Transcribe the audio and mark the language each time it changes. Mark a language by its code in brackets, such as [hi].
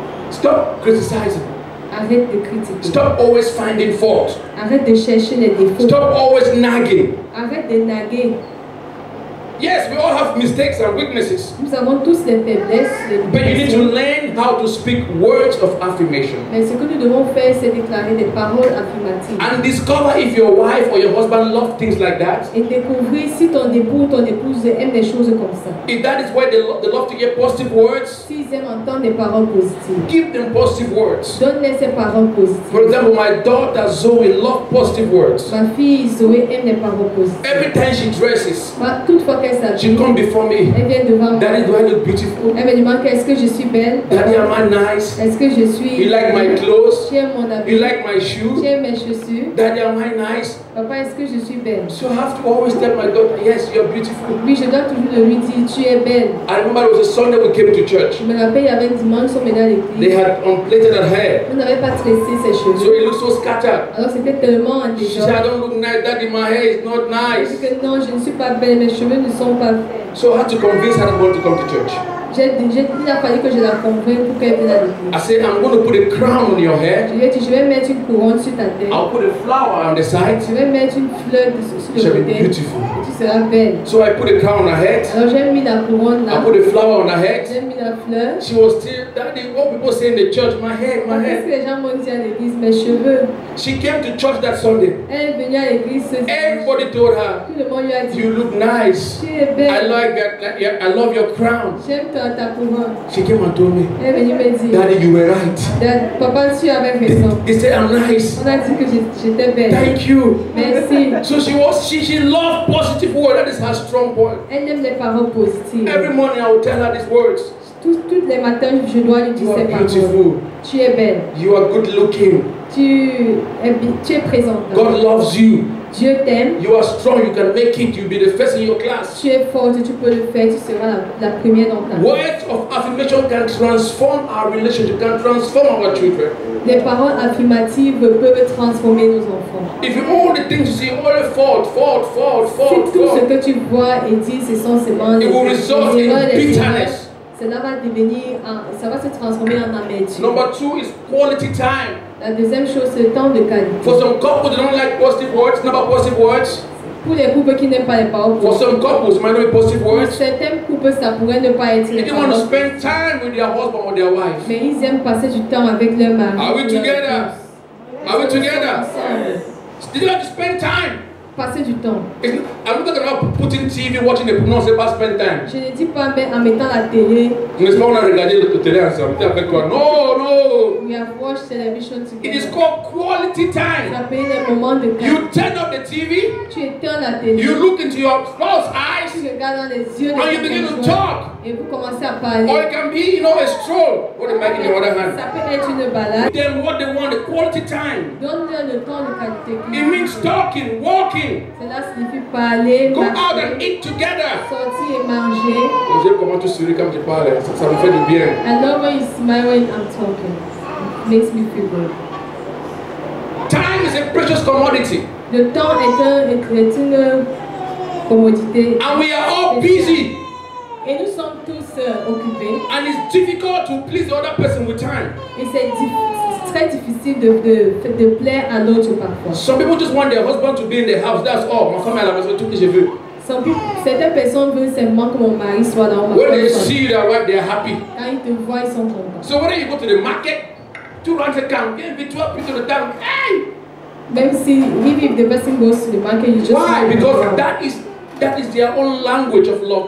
[en] Stop criticizing. [fr] Arrête de critiquer. [en] Stop always finding fault. [fr] Arrête de chercher les défauts. [en] Stop always nagging. [fr] Arrête de naguer. [en] Yes, we all have mistakes and weaknesses. [fr] Nous avons tous les faiblesses. [en] But you need to learn how to speak words of affirmation. [fr] Mais ce que nous devons faire, c'est déclarer des paroles affirmatives. [en] And discover if your wife or your husband love things like that. [fr] Et découvrir si ton époux ou ton épouse aime des choses comme ça. [en] If that is why they love to hear positive words. [fr] S'ils aiment entendre des paroles positives. [en] Give them positive words. [fr] Donne-les ces paroles positives. [en] For example, my daughter Zoe loves positive words. [fr] Ma fille Zoe aime les paroles positives. [en] Every time she dresses. She come before me. [fr] Elle vient devant moi. [en] Daddy, do I look beautiful? [fr] Elle me demande est-ce que je suis belle. [en] Daddy, am I nice? [fr] Est-ce que je suis. [en] You like my clothes? [fr] Tu aimes mon habit? [en] You like my shoes? [fr] Tu aimes mes chaussures? [en] Daddy, am I nice? [fr] Papa, est-ce que je suis belle? [en] So I have to always tell my daughter, yes, you're beautiful. [fr] Oui, je dois toujours lui dire, tu es belle. [en] I remember it was a Sunday we came to church. [fr] Je me rappelle, il y avait un dimanche, on venait à l'église. [en] They had unplaited her hair. [fr] On n'avait pas tressé ses cheveux. [en] So it looked so scattered. [fr] Alors c'était tellement en déjà. [en] She said, I don't look nice, Daddy, my hair is not nice. [fr] Je dis que non, je ne suis pas belle, mes cheveux ne sont pas faits. [en] So I had to convince her not to come to church. [fr] Il a fallu que je la convainque pour qu'elle vienne à l'église. [en] I said, I'm going to put a crown on your head. [fr] Je lui ai dit, je vais mettre une couronne sur ta tête. [en] I'll put a flower on the side. [fr] Je vais mettre une fleur sur le côté. [en] She'll be beautiful. [fr] Tu seras belle. [en] So I put a crown on her head. [fr] Alors j'ai mis la couronne là. [en] I put a flower on her head. [fr] J'ai mis la fleur. [en] She was still, Daddy, what people say in the church, my head. [fr] Les gens m'ont dit à l'église, mes cheveux. [en] She came to church that Sunday. [fr] Elle est venue à l'église ce dimanche. [en] Everybody told her, [fr] tout le monde lui a dit, [en] you look nice. [fr] Tu es belle. [en] I love your crown. [fr] J'aime ton [en] She came and told me, Daddy, you were right. [fr] That, Papa, tu avais raison. [en] He said, I'm nice. [fr] On a dit que j'étais belle. [en] Thank you. [fr] Merci. [en] So she loved positive words. That is her strong point. [fr] Elle aime les paroles positives. [en] Every morning I would tell her these words. [fr] Toutes les matins, je dois lui dire ces paroles. [en] You are beautiful. [fr] Tu es belle. [en] You are good looking. [fr] Tu es présent. [en] God loves you. [fr] Dieu t'aime. [en] You are strong. You can make it. You'll be the first in your class. [fr] Tu es forte. Tu peux le faire. Tu seras la première dans ta classe. [en] Words of affirmation can transform our relationship. Can transform our children. [fr] Les paroles affirmatives peuvent transformer nos enfants. [en] If all the things you see, all the fault. [fr] Si tout ce que tu vois et dis, c'est sensiblement. [en] It will result in bitterness. [fr] Cela va devenir, ça va se transformer en amertume. [en] Number two is quality time. [fr] La deuxième chose, c'est le temps de qualité. [en] For some couples, they don't like positive words. Not about positive words. [fr] Pour les couples qui n'aiment pas les paroles. [en] For some couples, it might not be positive words. [fr] Pour certains couples, ça pourrait ne pas être les paroles. [en] They want to spend time with their husband or their wife. [fr] Mais ils aiment passer du temps avec leur mari. [en] Are we together? Are we together? Yes. Did you have to spend time? [fr] Passer du temps. [en] I'm not talking about putting TV, watching the pronouns, about spend time. [fr] Je ne dis pas, mais en mettant la télé. N'est-ce pas, on a regardé la télé ensemble. T'es avec quoi? No. [en] We have watched television together. It is called quality time. [fr] Ça paye le moment de calme. [en] You turn up the TV. [fr] Tu éteins la télé. [en] You look into your spouse's eyes. [fr] Tu regardes dans les yeux. [en] And you begin to talk. [fr] Et vous commencez à parler. [en] Or it can be, you know, a stroll. Put the mic in your other hand. [fr] Ça peut être une balade. [en] Give them what they want, the quality time. [fr] Donne-leur le temps de qualité. [en] It means talking, walking. [fr] Cela signifie parler, [en] go [fr] marcher, [en] out and eat together. [fr] Sortir et manger. Je commence à sourire quand je parle. Ça me fait du bien. [en] I love when you smile when I'm talking. It makes me feel good. Time is a precious commodity. [fr] Le temps est une commodité. [en] And we are all busy. [fr] Et nous sommes tous occupés. [en] And it's difficult to please the other person with time. [fr] Et c'est très difficile de plaire à l'autre parfois. [en] Some people just want their husband to be in the house. That's all. [fr] Ma femme à la maison, tout ce que je veux. Certaines personnes veulent seulement que mon mari soit dans ma maison. [en] When they see their wife, they are happy. [fr] Quand ils te voient, ils sont contents. [en] So when you go to the market, two rounds a camp, give me 12 pieces of the town. Hey! [fr] Même si, [en] maybe if the person goes to the market, you just. Why? Because that is their own language of love.